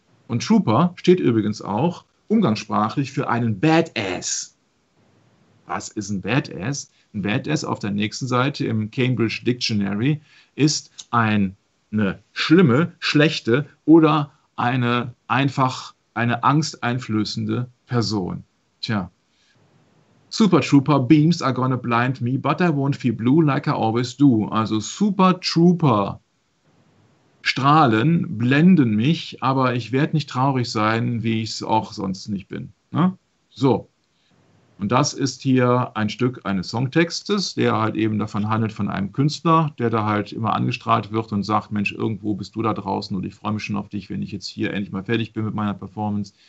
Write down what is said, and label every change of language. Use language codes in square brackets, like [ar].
[de] Und Trooper steht übrigens auch umgangssprachlich für einen Badass. Was ist ein Badass? Ein Badass auf der nächsten Seite im Cambridge Dictionary ist eine schlimme, schlechte oder eine angsteinflößende Person. Tja. [en] Super Trooper beams are gonna blind me, but I won't feel blue like I always do. [de] Also Super Trooper Strahlen blenden mich, aber ich werde nicht traurig sein, wie ich es auch sonst nicht bin. Ne? So. Und das ist hier ein Stück eines Songtextes, der halt eben davon handelt von einem Künstler, der da halt immer angestrahlt wird und sagt, Mensch, irgendwo bist du da draußen und ich freue mich schon auf dich, wenn ich jetzt hier endlich mal fertig bin mit meiner Performance.